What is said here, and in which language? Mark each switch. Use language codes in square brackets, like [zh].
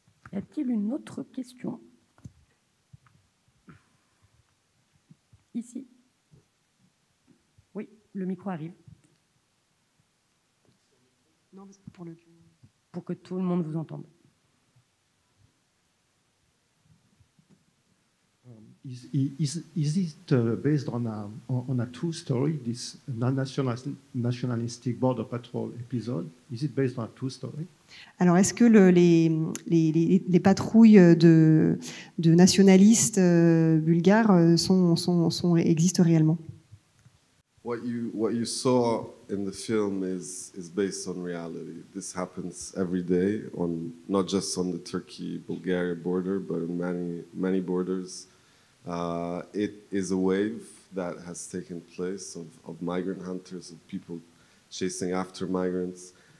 [fr] Y a-t-il une autre question ? Ici. Oui, le micro arrive. Non, pour que tout le monde vous entende. [en] Is it based on a true story, this non-nationalistic border patrol episode? Is it based on a true story? [fr] Alors, est-ce que les patrouilles de nationalistes bulgares sont existent réellement? [en] What you saw in the film is based on reality. This happens every day, on not just on the Turkey-Bulgaria border, but on many borders. It is a wave that has taken place of migrant hunters, of people chasing after migrants.